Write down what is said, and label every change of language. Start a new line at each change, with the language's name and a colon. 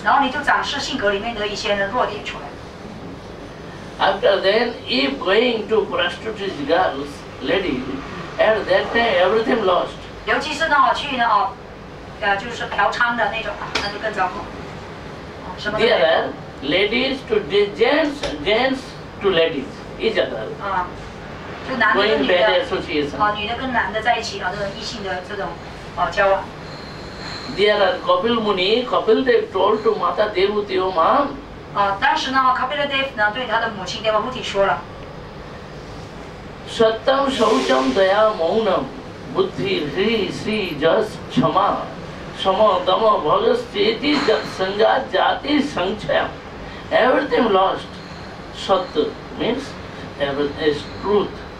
Chinese: 然后你就展示性格里面的一些呢弱点出来。
English: After then, if going to prostitute girls, ladies, at that time everything lost.
Chinese: 尤其是呢，我去呢，就是嫖娼的那种，那就更糟糕。
English: There are ladies to gents, gents to ladies, each other.
Chinese: 啊，就男的跟女的。
English: Going bad association.
Chinese: 啊，女的跟男的在一起啊，这种异性的这种啊交往。
English: There are Kapil Muni, Kapil Dev told to Mata Devuti, oh ma'am.
Chinese: 当时呢 ，Kapila Dev 呢对他的母亲 Devahuti 说了
Sanskrit: ：“Satam Shoucham Daya Mounam Buddhi Hri Sri Jas Chama Sama Dama Bhagas Cheti Sangat Jati Sangchaya
English: Everything Lost Sat Means Everything is Truth。”